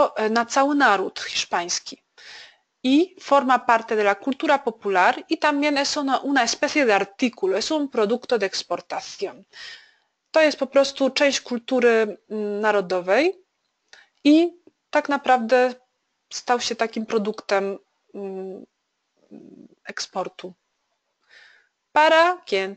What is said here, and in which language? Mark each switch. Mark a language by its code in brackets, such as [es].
[pl] na cały naród hiszpański. [es] I forma parte de la cultura popular y también es una especie de artículo, es un producto de exportación. [pl] To jest po prostu część kultury narodowej i tak naprawdę stał się takim produktem eksportu. [es] Para quién?